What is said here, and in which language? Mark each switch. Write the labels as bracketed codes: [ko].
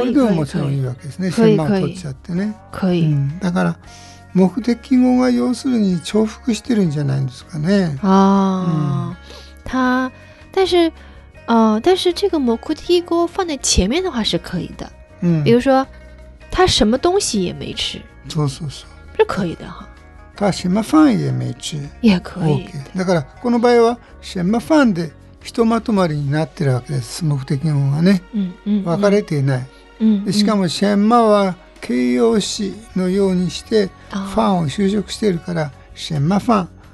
[ja] これでももちろんいいわけですね、 [zh] 可以可以、 [ja] 先番取っちゃってね、 [zh] 可以、 [ja] うん、だから目的語が要するに重複してるんじゃないんですかね。 [zh] あ、他但是但是这个目的語放在前面的话是可以的。比如说他什么东西也没吃。 [ja] そうそうそう。 [zh] 是可以的。他什么饭也没吃。也可以。Okay、 [ja] だからこの場合は什么饭でひとまとまりになってるわけです。目的語がね。分かれていない。しかも、シェンマは形容詞のようにしてファンを修飾しているから、シェンマファン。